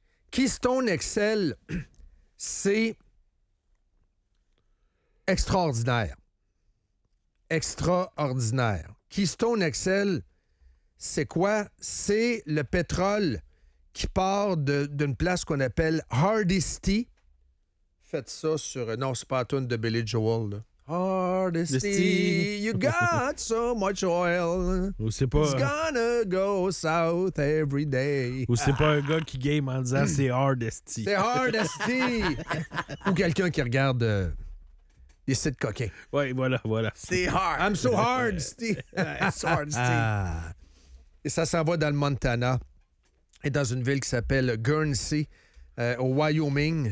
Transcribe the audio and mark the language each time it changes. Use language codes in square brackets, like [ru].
[fr] Keystone XL, c'est extraordinaire. Extraordinaire. Keystone XL, c'est quoi? C'est le pétrole qui part d'une place qu'on appelle Hardisty. Faites ça sur... Non, c'est pas la tune de Billy Joel, là. [en] Hardesty, you got so much oil. [fr] Ou c'est pas... [en] It's gonna go south every day. [fr] Ou c'est pas un gars qui game en disant c'est Hardesty. C'est Hardesty! Ou quelqu'un qui regarde des sites coquins. Oui, voilà. C'est hard. [en] I'm so hardesty. It's hardesty. [fr] Et ça s'en va dans le Montana et dans une ville qui s'appelle Guernsey, au Wyoming.